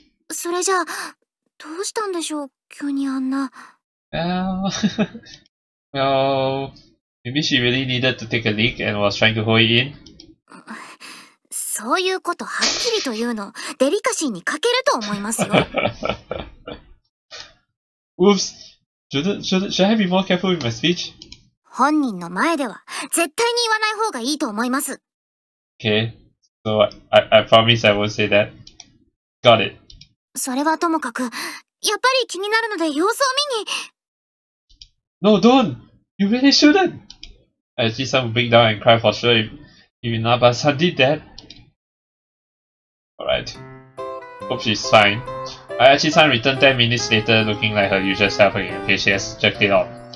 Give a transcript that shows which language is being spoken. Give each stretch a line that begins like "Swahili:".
Japanese: それじゃあ、どうしたんでしょう、急にあんな。
English: Maybe she really needed to take a leak and was trying to hold it in.
Japanese: そういうことはっきりと言うの、デリカシーに欠けると思いますよ。
English: Oops! Should I be more careful with my speech?
Japanese: 本人の前では絶対に言わない方がいいと思います。
English: Okay. So I promise I won't say that. Got it.
Japanese: それはともかく、やっぱり気になるので様子を見に。
English: No, don't! You really shouldn't! I'd see some break down and cry for sure if Inaba-san did that. Alright. Hope she's fine. Ayachi-san returned 10 minutes later looking like her usual self again. Okay, she has checked it off.